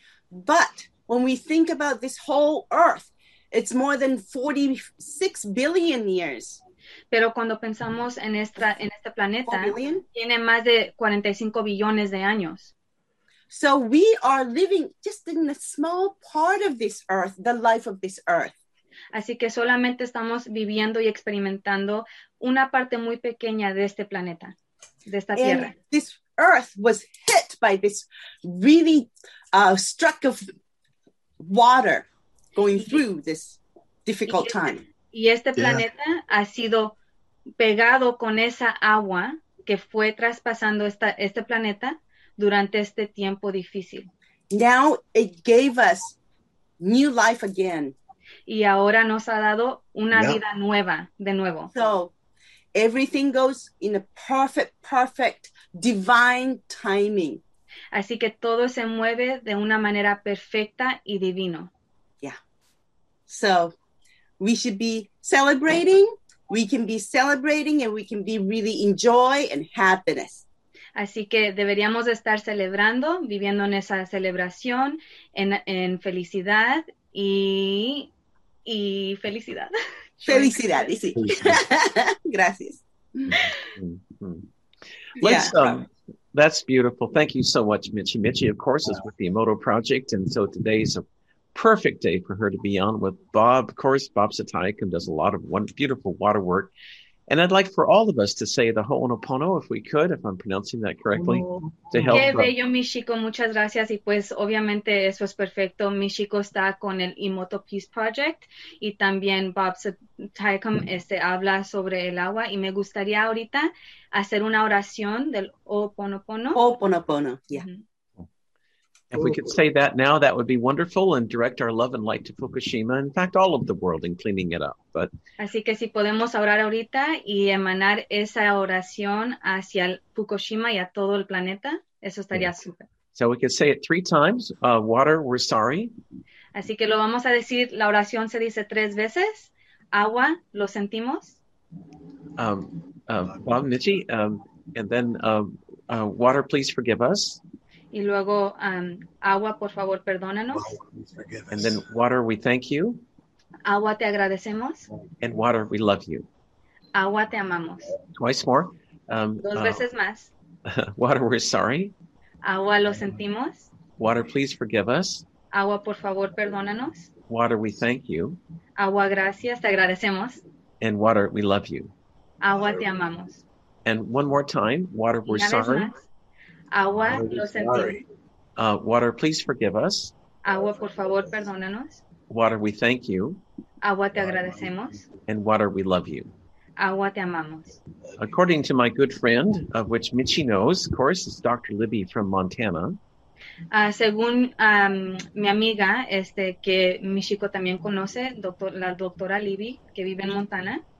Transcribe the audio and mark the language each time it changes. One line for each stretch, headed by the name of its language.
English: But when we think about this whole earth, it's more than 46 billion years.
Spanish: Pero cuando pensamos en este planeta, tiene más de 45 billones de años.
English: So we are living just in a small part of this earth, the life of this earth.
Spanish: Así que solamente estamos viviendo y experimentando una parte muy pequeña de este planeta, de esta tierra.
English: And this earth was hit by this really struck of water going through this difficult time.
Spanish: Y este planeta ha sido pegado con esa agua que fue traspasando este planeta durante este tiempo difícil.
English: Now it gave us new life again.
Spanish: Y ahora nos ha dado una vida nueva, de nuevo.
English: So everything goes in a perfect, perfect divine timing.
Spanish: Así que todo se mueve de una manera perfecta y divino.
English: Yeah. So we should be celebrating. We can be celebrating and we can be really in joy and happiness.
Spanish: Así que deberíamos estar celebrando, viviendo en esa celebración, en felicidad y felicidad. Felicidad, sí. Gracias.
English: Mm-hmm. Let's, that's beautiful. Thank you so much, Michi. Michi, of course, is with the Emoto Project. And so today's a perfect day for her to be on with Bob. Of course, Bob Satayakam does a lot of beautiful water work. And I'd like for all of us to say the Ho'oponopono, if we could, if I'm pronouncing that correctly, to help.
Spanish: Qué bello, Mishiko. Muchas gracias. Y pues, obviamente, eso es perfecto. Mishiko está con el Imoto Peace Project. Y también Bob Satayakam habla sobre el agua. Y me gustaría ahorita hacer una oración del Ho'oponopono.
English: Ho'oponopono, yeah. If we could say that now, that would be wonderful, and direct our love and light to Fukushima. In fact, all of the world, in cleaning it up. But
Spanish: así que si podemos orar ahorita y emanar esa oración hacia el Fukushima y a todo el planeta, eso estaría súper.
English: So we could say it three times. Water, we're sorry.
Spanish: Así que lo vamos a decir, la oración se dice tres veces. Agua, lo sentimos.
English: Bob, Michi, and then water, please forgive us.
Spanish: Y luego, agua, por favor, perdónanos.
English: And then water, we thank you.
Spanish: Agua, te agradecemos.
English: And water, we love you.
Spanish: Agua, te amamos.
English: Twice more.
Spanish: Dos veces más.
English: Water, we're sorry.
Spanish: Agua, lo sentimos.
English: Water, please forgive us.
Spanish: Agua, por favor, perdónanos.
English: Water, we thank you.
Spanish: Agua, gracias, te agradecemos.
English: And water, we love you.
Spanish: Agua, te amamos.
English: And one more time, water, we're sorry.
Spanish: Agua, lo sentimos.
English: Water, please forgive us.
Spanish: Agua, por favor, perdónanos.
English: Water, we thank you.
Spanish: Agua, te agradecemos.
English: And water, we love you.
Spanish: Agua, te amamos.
English: According to my good friend, of which Michi knows, of course, is Dr. Libby from Montana.
Spanish: Según mi amiga, que Michiko también conoce, la doctora Libby, que vive en Montana.